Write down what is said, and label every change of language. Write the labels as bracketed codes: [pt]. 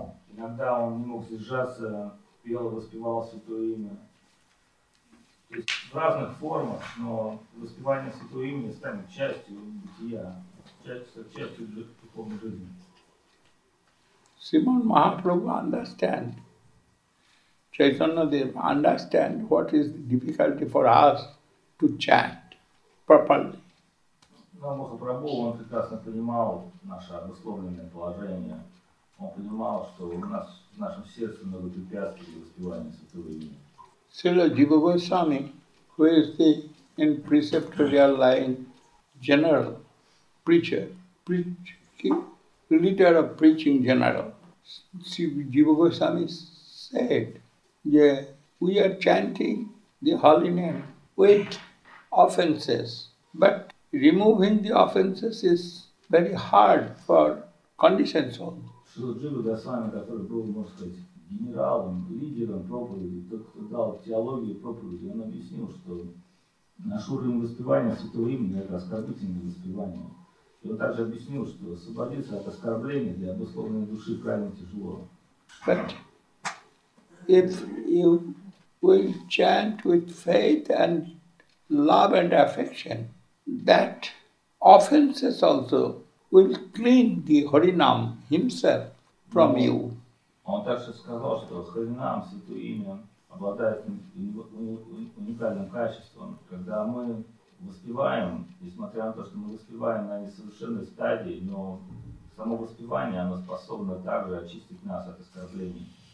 [ru] Иногда он не мог сдержаться, пел и воспевал святое имя. То есть в разных формах, но воспевание святого имени станет частью бытия, частью духовной жизни. [en] Симон Махапрабху understand. Chaitanya Dev, understand what is the difficulty for us to chant properly. [ru] Но Махапрабху, он прекрасно понимал наше обусловленное положение. Он понимал, что у нас в нашем сердце много препятствий для воспевания святого имени. [en] Srila Jiva Goswami, who is the in preceptorial line general preacher, leader of preaching general, Jiva Goswami said, yeah, we are chanting the holy name with offenses, but removing the offenses is very hard for conditioned soul. [ru] Srila Jiva Goswami, [en] who was, [ru] можно сказать, генералом, лидером проповеди, тот, кто дал теологию проповеди, он объяснил, что наш уровень воспевания святого имени – это оскорбительное воспевание. И он также объяснил, что освободиться от оскорбления для обусловленной души крайне тяжело. [en] If you will chant with faith and love and affection, that offenses also will clean the Harinam himself from you. [ru] Он также сказал, что Харинам, святое имя, обладает уникальным качеством. Когда мы воспеваем, несмотря на то, что мы воспеваем на несовершенной стадии, но само воспевание, оно способно также очистить нас от оскорблений.